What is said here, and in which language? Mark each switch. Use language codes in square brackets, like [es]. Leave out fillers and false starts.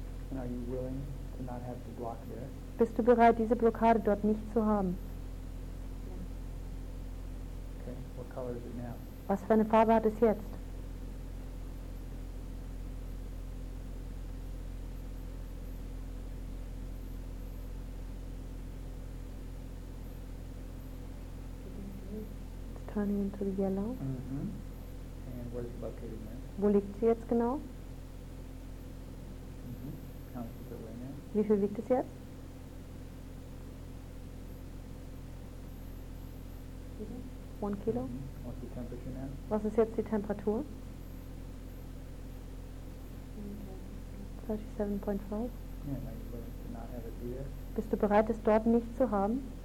[en] And are you willing to not have the block there? [de] Bist du bereit, diese Blockade dort nicht zu haben? [en] Okay. What color is it now? [de] Was für eine Farbe hat es jetzt? [en] Turning into the yellow. Mm-hmm. And where's it located now? [de] Wo liegt sie jetzt genau? [en] Mm-hmm. How much is it weighing now? [de] Wie viel wiegt es jetzt? [en] 1 kilo. Mm-hmm. What's the temperature now? [de] Was ist jetzt die Temperatur? [en] 37.5. Yeah, now you're willing to not have it be there. [de] Bist du bereit, es dort nicht zu haben?